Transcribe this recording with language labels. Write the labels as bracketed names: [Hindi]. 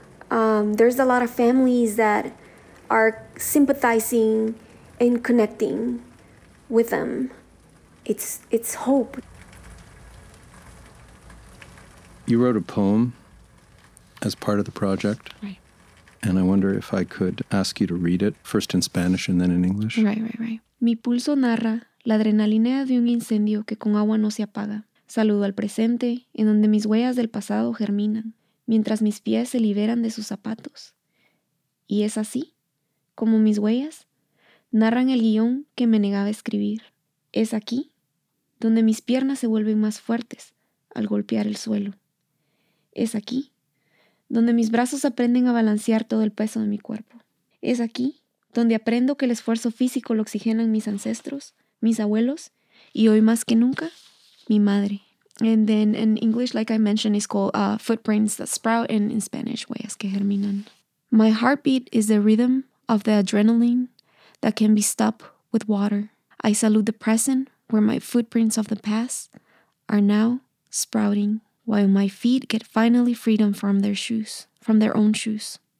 [English] There's a lot of families that are sympathizing and connecting with them. It's hope. You wrote a poem as part of the project. Right. And I wonder if I could ask you to read it, first in Spanish and then in English. Right. [Spanish] Mi pulso narra la adrenalina de un incendio que con agua no se apaga. Saludo al presente, en donde mis huellas del pasado germinan, mientras mis pies se liberan de sus zapatos. Y es así, como mis huellas narran el guión que me negaba a escribir. Es aquí, donde mis piernas se vuelven más fuertes al golpear el suelo. Es aquí, donde mis brazos aprenden a balancear todo el peso de mi cuerpo. Es aquí, donde aprendo que el esfuerzo físico lo oxigenan mis ancestros, mis abuelos, y hoy más que nunca, mi madre. [English] And then in English, like I mentioned, it's called Footprints That Sprout, and in Spanish, Huellas Que Germinan. My heartbeat is the rhythm of the adrenaline that can be stopped with water. I salute the present where my footprints of the past are now sprouting, while my feet get finally freedom from their shoes, from their own shoes.